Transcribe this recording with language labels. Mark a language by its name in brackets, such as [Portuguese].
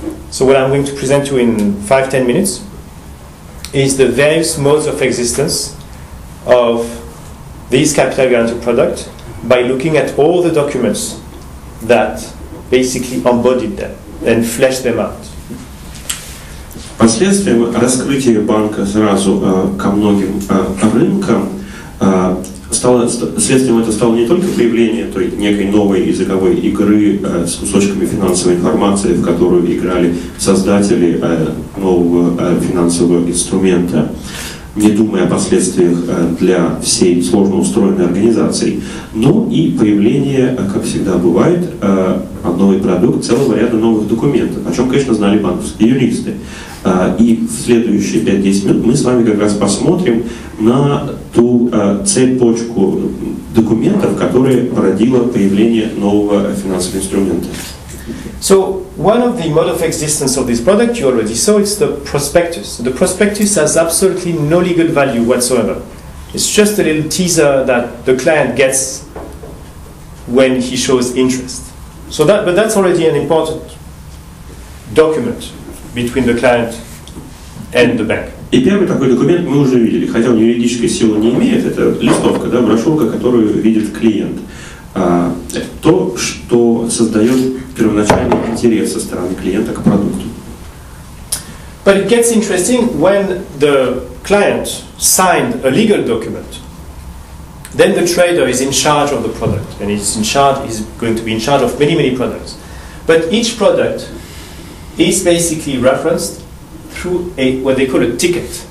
[English] So what I'm going to present to you in 5-10 minutes is the various modes of existence of these capital guaranteed products by looking at all the documents that basically embodied them and fleshed them out. [Russian] Последствием раскрытия банка сразу ко многим рынкам стало не только появление той некой новой языковой игры с кусочками финансовой информации, в которую играли создатели нового финансового инструмента, не думая о последствиях для всей сложно устроенной организации, но и появление, как всегда бывает, новый продукт целого ряда новых документов, о чем, конечно, знали банковские юристы. И в следующие 5-10 минут мы с вами как раз посмотрим на ту цепочку документов, которые породила появление нового финансового инструмента. [English] So, one of the mode of existence of this product you already saw is the prospectus. The prospectus has absolutely no legal value whatsoever. It's just a little teaser that the client gets when he shows interest. So that, but that's already an important document between the client and the bank. [Russian] И первый такой документ мы уже видели, хотя он юридической силы не имеет, это листовка, да, брошюрка, которую видит клиент. То, что создает первоначальный интерес со стороны клиента к продукту. [English] But it gets interesting when the client signed a legal document. Then the trader is in charge of the product, and he's going to be in charge of many, many products. But each product is basically referenced through what they call a ticket.